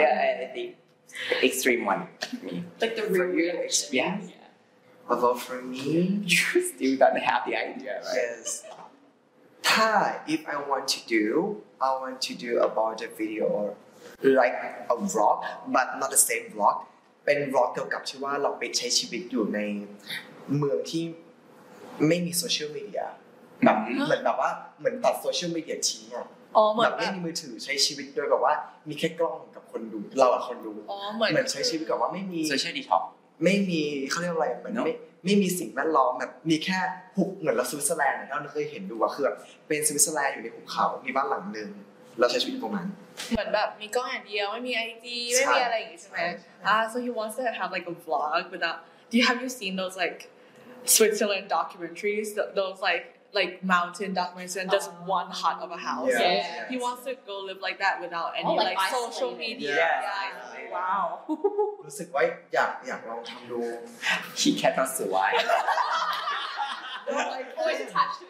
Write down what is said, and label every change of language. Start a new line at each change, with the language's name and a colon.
English: Yeah, I think extreme one. Like the real reaction. Yeah. Although for me, you still don't have the idea, right? Yes. If I want to do, I want to do about a video or like a vlog, but not the same vlog.
Thai: เป็น vlog เกี่ยวกับที่ว่าเราไปใช้ชีวิตอยู่ในเมืองที่ไม่มีโซเชียลมีเดียแบบเหมือนแบบว่าเหมือนตัดโซเชียลมีเดียทิ้ง อ๋อเหมือน แบบไม่มีมือถือใช้ชีวิตด้วยแบบว่ามีแค่กล้องกับคนดูเราอะคนดู อ๋อเหมือนใช้ชีวิตกับว่าไม่มี โซเชียลดีท็อก ไม่มีเขาเรียกอะไรเหมือนไม่มีสิ่งแวดล้อมแบบมีแค่หุบเหมือนเราสวิตเซอร์แลนด์เนี่ยเราเคยเห็นดูว่าคือเป็นสวิตเซอร์แลนด์อยู่ในหุบเขามีบ้านหลังนึงเราใช้ชีวิตตรงนั้น เหมือนแบบมีกล้องอย่างเดียวไม่มีไอจีไม่มีอะไรอย่างงี้ใช่มั้ย
English: so he wants to have like a vlog without do you have you seen those like Switzerland documentaries those like like mountain documentary and just one hut of a house. Yeah. Yeah. He wants to go live like that without any like social media. Yeah. Yeah. Wow. It's like, why? Yeah, yeah, well, come to. He cannot survive. Always attached to